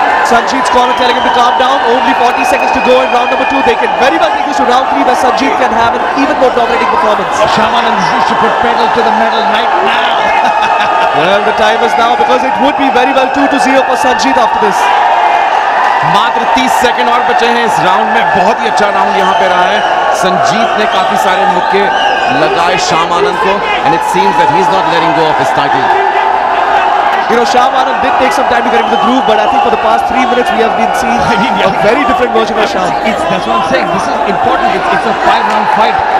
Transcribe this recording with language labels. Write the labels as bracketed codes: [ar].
[en] Sanjeet's corner telling him to calm down. Only 40 seconds to go in round number two. They can very well take this to round three, where Sanjeet can have an even more dominating performance. Well, Shyamanand needs to put pedal to the metal right now. Well, the time is now, because it would be very well 2-0 for Sanjeet after this. [hi] मात्र 30 second और बचे हैं इस round में. बहुत ही अच्छा round यहां पे रहा है. संजीत ने काफी सारे मुक्के लगाए शामानंद को, [en] and it seems that he's not letting go of his title. You know, Shyamanand did take some time to get into the groove, but I think for the past 3 minutes we have been seeing a very different version of Shyam. That's what I'm saying. This is important. It's a five-round fight.